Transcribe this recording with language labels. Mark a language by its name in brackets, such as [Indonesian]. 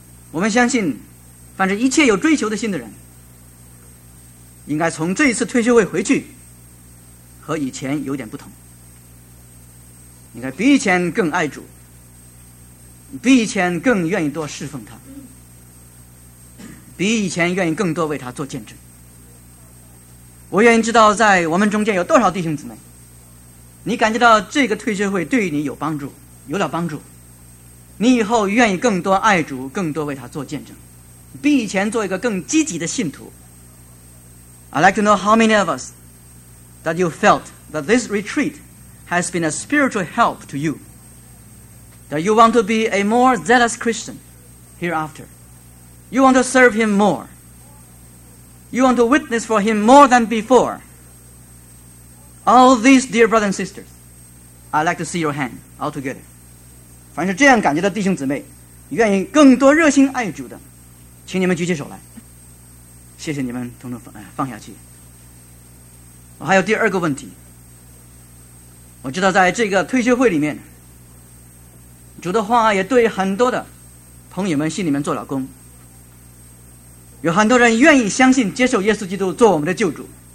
[Chinese] 我们相信，凡是一切有追求的心的人，应该从这一次退休会回去和以前有点不同，应该比以前更爱主，比以前更愿意多侍奉他，比以前愿意更多为他做见证。我愿意知道在我们中间有多少弟兄姊妹，你感觉到这个退休会对于你有帮助，有了帮助，你以后愿意更多爱主，更多为他做见证，比以前做一个更积极的信徒。 [English] I'd like to know how many of us that you felt that this retreat has been a spiritual help to you, that you want to be a more zealous Christian hereafter. You want to serve him more. You want to witness for him more than before. All these dear brothers and sisters, I'd like to see your hand all together. [Chinese] 凡是这样感觉的弟兄姊妹，愿意更多热心爱主的，请你们举起手来。谢谢你们统统 放下去。我还有第二个问题。我知道在这个退休会里面，主的话也对很多的朋友们心里面做了工，有很多人愿意相信接受耶稣基督做我们的救主。